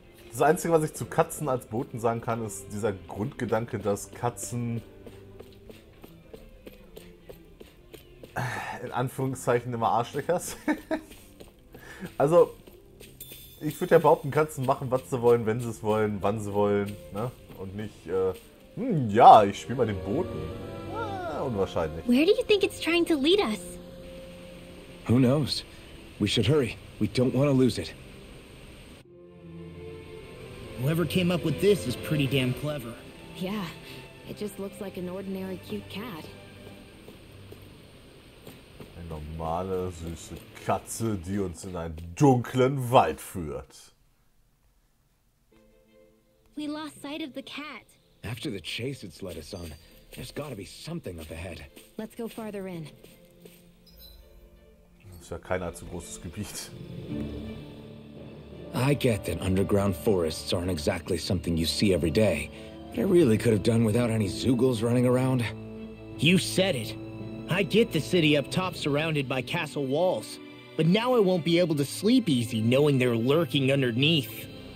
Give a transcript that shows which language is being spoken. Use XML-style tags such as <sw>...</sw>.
<de>Das Einzige, was ich zu Katzen als Boten sagen kann, ist dieser Grundgedanke, dass Katzen in Anführungszeichen immer Arschlöcher sind. Also, ich würde ja behaupten, Katzen machen, was sie wollen, wenn sie es wollen, wann sie wollen, ne? Und nicht, ja, ich spiele mal den Boten. Unwahrscheinlich.</de> <en>Where do you think it's trying to lead us? Who knows? We should hurry. We don't want to lose it. Whoever came up with this is pretty damn clever. Yeah, it just looks like an ordinary cute cat.</en> <de>Eine normale, süße Katze, die uns in einen dunklen Wald führt.</de> <en>We lost sight of the cat. After the chase it's led us on, there's gotta be something up ahead. Let's go farther in.</en> <de>Das ist ja kein allzu großes Gebiet.</de> <en>I get that underground forests aren't exactly something you see every day, but I really could have done without any Zoogles running around. You said it. I get the city up top surrounded by castle walls, but now I won't be able to sleep easy knowing they're lurking underneath.</en>